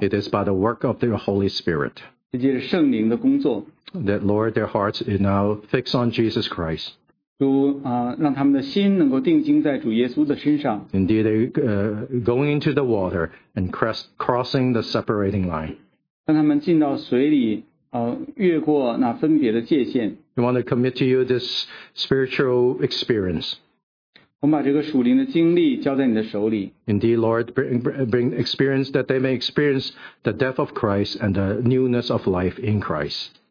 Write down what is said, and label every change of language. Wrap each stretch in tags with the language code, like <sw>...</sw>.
<en>It is by the work of your Holy Spirit.</en> <zh>这就是圣灵的工作。</zh> <en>That Lord, their hearts are now fixed on Jesus Christ.</en> <zh>主，让他们的心能够定睛在主耶稣的身上。</zh> <en>Indeed, they going into the water and crossing the separating line.</en> <zh>让他们进到水里，越过那分别的界限。</zh> <en>We want to commit to you this spiritual experience.</en> <zh>我们把这个属灵的经历交在你的手里。</zh> <en>Indeed, Lord, bring experience that they may experience the death of Christ and the newness of life in Christ.</en>